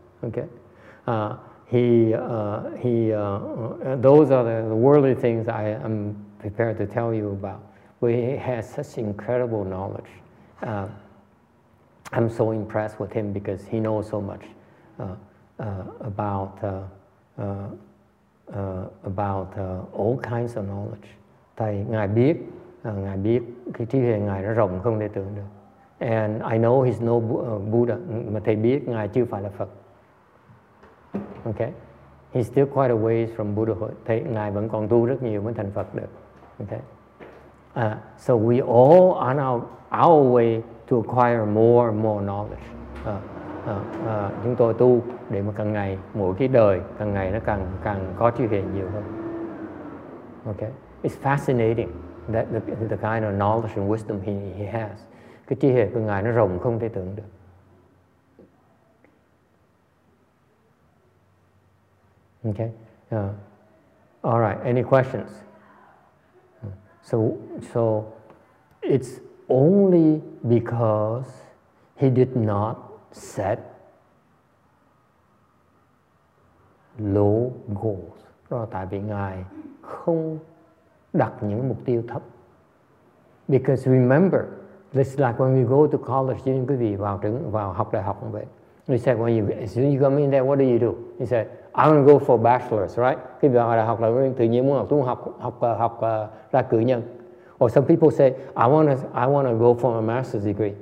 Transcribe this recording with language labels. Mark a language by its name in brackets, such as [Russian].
[English] Okay, those are the worldly things I am prepared to tell you about. But he has such incredible knowledge. I'm so impressed with him because he knows so much about all kinds of knowledge. [Vietnamese] Tại ngài biết cái trí huệ ngài nó rộng không thể tưởng được. [English] And I know he's no Buddha, [Vietnamese] mà thầy biết ngài chưa phải là Phật. [English] Okay, he's still quite a ways from Buddhahood. [Vietnamese] Thầy ngài vẫn còn tu rất nhiều mới thành Phật được. [English] Okay, so we all on our way to acquire more and more knowledge. [Vietnamese] Chúng tôi tu để mà càng ngày mỗi cái đời càng ngày nó càng có trí huệ nhiều hơn. [English] Okay, it's fascinating that the kind of knowledge and wisdom he has. [Vietnamese] Cái trí huệ của ngài nó rộng không thể tưởng được. [English] Okay, all right. Any questions? So it's only because he did not set low goals. [Vietnamese] Đó là tại vì Ngài không đặt những mục tiêu thấp. [English] Because remember, it's like when we go to college, you know, [Vietnamese] quý vị vào học đại học cũng vậy. [English] He said, when you, as soon as you come in there, what do you do? He said, I want to go for bachelor's, right? [Vietnamese] Quý vị vào đại học là tự nhiên muốn học, tôi muốn học ra cử nhân. [English] Or some people say, I want to go for a master's degree.